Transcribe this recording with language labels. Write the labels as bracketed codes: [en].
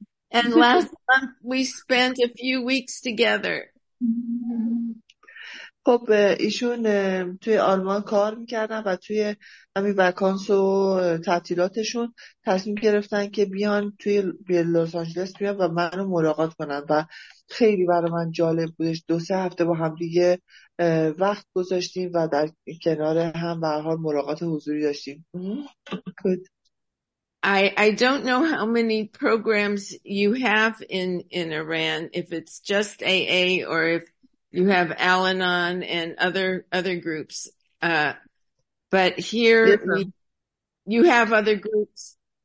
[en] And last month we spent a few weeks together. [fa] خب ایشون توی آلمان کار میکردن و توی همین وکانس و تعطیلاتشون تصمیم گرفتن که بیان توی لس آنجلس بیان و منو ملاقات کنن و خیلی برای من جالب بودش. 2-3 هفته با هم دیگه وقت گذاشتیم و در کنار هم به هر حال ملاقات حضوری داشتیم. [en] Good. I don't know how many programs you have in Iran, if it's just AA or if you have Al-Anon and other groups. But here, yes, you have other groups.